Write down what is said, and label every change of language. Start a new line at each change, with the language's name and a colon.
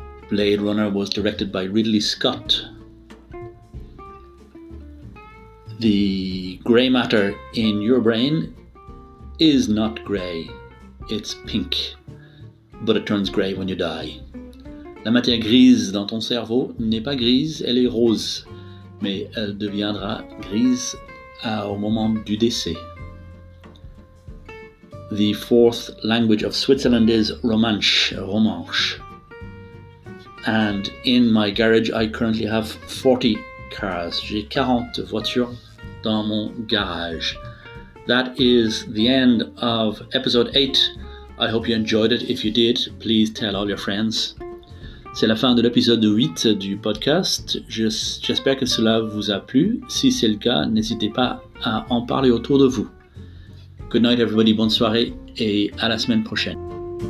English: Blade Runner was directed by Ridley Scott. The grey matter in your brain is not grey, it's pink. But it turns grey when you die.
French: La matière grise dans ton cerveau n'est pas grise, elle est rose. Mais elle deviendra grise au moment du décès.
English: The fourth language of Switzerland is Romanche, Romanche. And in my garage, I currently have 40 cars.
French: J'ai 40 voitures dans mon garage.
English: That is the end of episode 8. I hope you enjoyed it. If you did, please tell all your friends.
French: C'est la fin de l'épisode 8 du podcast. J'espère que cela vous a plu. Si c'est le cas, n'hésitez pas à en parler autour de vous.
English: Good night, everybody.
French: Bonne soirée. Et à la semaine prochaine.